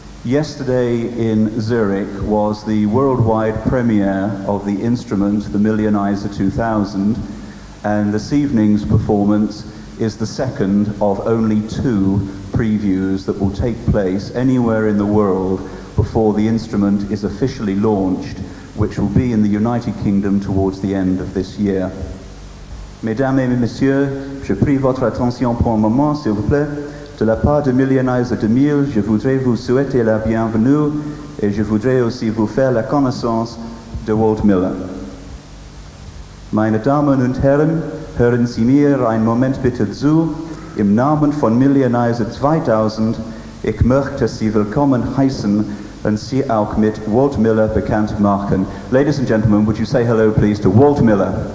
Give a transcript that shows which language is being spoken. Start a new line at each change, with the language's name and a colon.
English: Yesterday in Zurich was the worldwide premiere of the instrument, the Millioniser 2000, and this evening's performance is the second of only two previews that will take place anywhere in the world before the instrument is officially launched, which will be in the United Kingdom towards the end of this year.
French: Mesdames et messieurs, je prie votre attention pour un moment, s'il vous plaît. De la part de Millioniser 2000, je voudrais vous souhaiter la bienvenue et je voudrais aussi vous faire la connaissance de Walt Miller.
German: Meine Damen und Herren, hören Sie mir einen Moment bitte zu. Im Namen von Millioniser 2000, ich möchte Sie willkommen heißen und Sie auch mit Walt Miller bekannt machen.
English: Ladies and gentlemen, would you say hello, please, to Walt Miller?